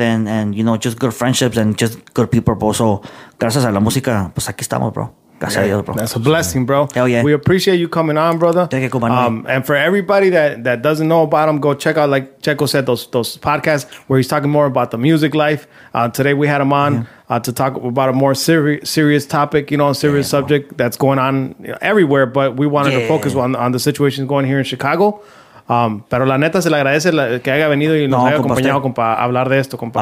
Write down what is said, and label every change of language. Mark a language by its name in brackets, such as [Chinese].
[English] And you know, just good friendships and just good people, bro. [Spanish] So, gracias a la música, pues aquí estamos, bro. Gracias a Dios, bro. [English] That's a blessing, bro. Hell yeah. We appreciate you coming on, brother. And for everybody that doesn't know about him, go check out, like Checo said, those podcasts where he's talking more about the music life. Today we had him on to talk about a more serious topic, you know, a serious subject that's going on, you know, everywhere. But we wanted to focus on the situation going here in Chicago. [Spanish] Pero la neta se le agradece que haya venido y nos haya acompañado, compa, a hablar de esto, compa.